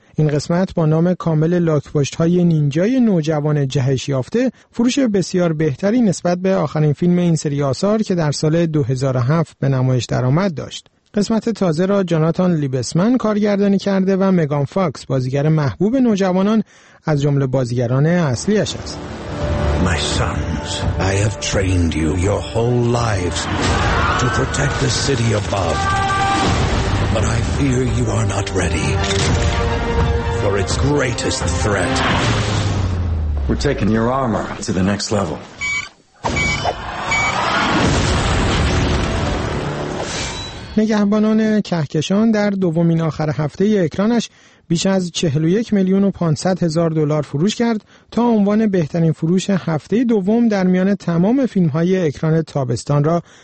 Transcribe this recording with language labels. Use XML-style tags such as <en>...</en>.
<fa>این قسمت با نام کامل لاک‌پشت‌های نینجای نوجوان جهش یافته فروش بسیار بهتری نسبت به آخرین فیلم این سری آثار که در سال 2007 به نمایش درآمد داشت. قسمت تازه را جاناتان لیبسمن کارگردانی کرده و مگان فاکس بازیگر محبوب نوجوانان از جمله بازیگران اصلیش است.</fa> <en>My sons, I have trained you your whole lives to protect the city above. But I fear you are not ready. For its greatest threat. We're taking your armor to the next level.</en> <fa>نگهبانان کهکشان در دومین آخر هفته اکرانش بیش از 41 میلیون و 500 هزار دلار فروش کرد تا عنوان بهترین فروش هفته دوم در میان تمام فیلم‌های اکران تابستان را</fa>